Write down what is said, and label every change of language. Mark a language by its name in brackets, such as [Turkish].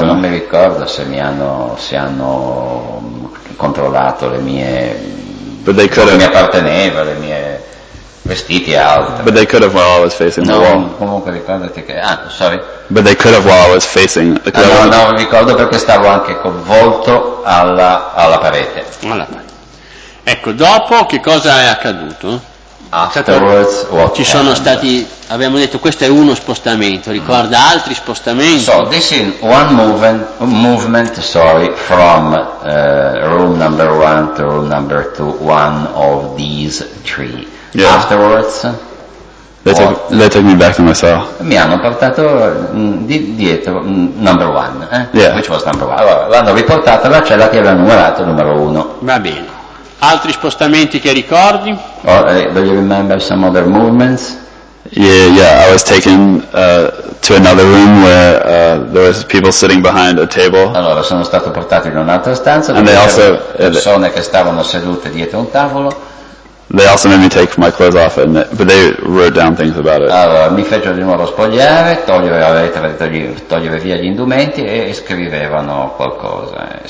[Italian] No, non mi ricordo se hanno controllato le mie. [English] But they could have. [Italian] Mi apparteneva le mie vestiti altri. [English] But they could have while I was facing the wall. [Italian] Comunque ricordati che [English] sorry. But they could have while I was facing. [Italian] No, ricordo perché stavo anche col volto alla parete. Voilà. Ecco, dopo che cosa è accaduto? [English] Afterwards, what [Italian] ci sono stati, abbiamo detto questo è uno spostamento, ricorda altri spostamenti. [English] So this is one movement, from room number one to room number two, one of these three. Yeah. Afterwards, they took me back to my cell. [Italian] Mi hanno portato dietro [English] number one, yeah. Which was number one. [Italian] Allora, l'hanno riportato alla cella che aveva numerato numero uno. Va bene. Altri spostamenti che ricordi? [English] Do you remember some other movements? Yeah, I was taken to another room where there was people sitting behind a table. [Italian] Allora sono stato portato in un'altra stanza. [English] And they also [Italian] persone che stavano sedute dietro un tavolo. [English] They also made me take my clothes off, and but they wrote down things about it. [Italian] Allora mi fecero di nuovo spogliare, togliere via gli indumenti e scrivevano qualcosa.